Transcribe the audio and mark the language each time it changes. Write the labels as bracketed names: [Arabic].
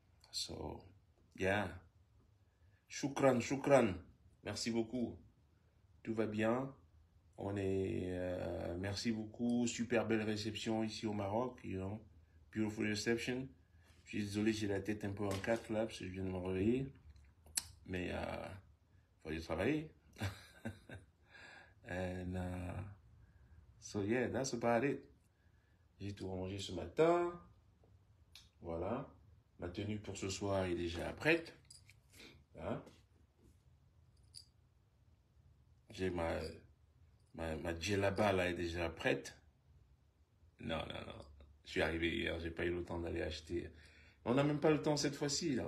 [English] So, yeah. [Arabic] Shukran, shukran. [French] Merci beaucoup. Tout va bien. On est. Merci beaucoup. Super belle réception ici au Maroc. [English] You know, beautiful reception. [French] Je suis désolé, j'ai la tête un peu en quatre là parce que je viens de me réveiller. Mais faut y travailler. [English] And so yeah, that's about it. [French] J'ai tout rangé ce matin. Voilà. Ma tenue pour ce soir est déjà prête. Hein? J'ai ma djellaba là est déjà prête. Non. Je suis arrivé hier, j'ai pas eu le temps d'aller acheter. On n'a même pas le temps cette fois-ci. Là.